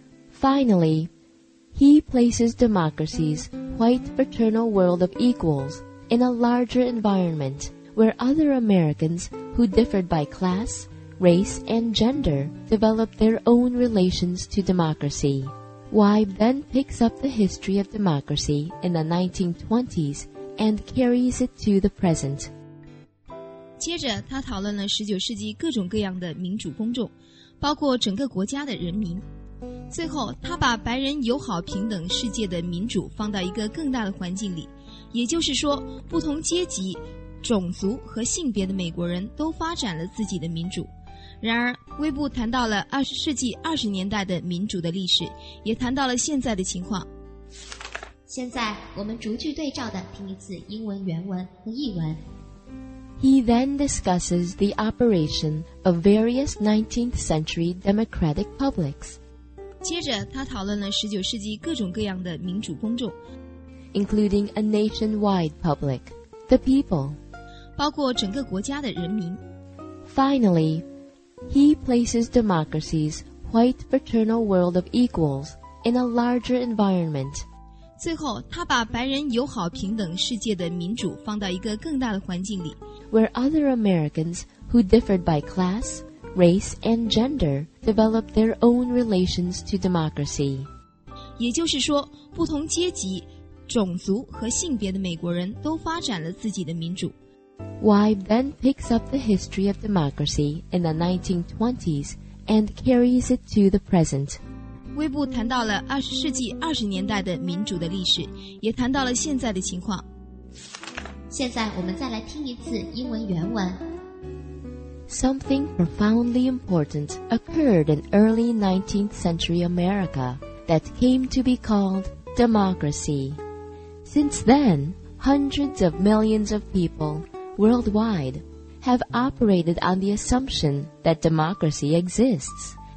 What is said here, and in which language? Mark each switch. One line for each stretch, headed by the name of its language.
English: Finally, he places democracy's white fraternal world of equals in a larger environment where other Americans who differed by class, race, and gender developed their own relations to democracy. Wybe then picks up the history of democracy in the 1920s and carries it to the present.
Chinese: 接着他讨论了19世纪各种各样的民主公众，包括整个国家的人民。最后他把白人友好平等世界的民主放到一个更大的环境里，也就是说不同阶级、种族和性别的美国人都发展了自己的民主。然而威布谈到了20世纪20年代的民主的历史，也谈到了现在的情况。现在我们逐句对照的听一次英文原文和译文。
English: He then discusses the operation of various 19th century democratic publics.
Chinese: 接着他讨论了19世纪各种各样的民主公众，
English: including a nationwide public, the people,
Chinese: 包括整个国家的人民。
English: Finally, he places democracy's white fraternal world of equals in a larger environment.
Chinese: 最后他把白人友好平等世界的民主放到一个更大的环境里，
English: where other Americans who differed by class, race, and gender developed their own relations to democracy.
Chinese: 也就是说，不同阶级、种族和性别的美国人都发展了自己的民主。
English: Wibe then picks up the history of democracy in the 1920s and carries it to the present.
Chinese: 威布谈到了20世纪20年代的民主的历史，也谈到了现在的情况。现在我们再来听一次英文原文。
English: Something profoundly important occurred in early 19th century America that came to be called democracy. Since then, hundreds of millions of people worldwide have operated on the assumption that democracy exists.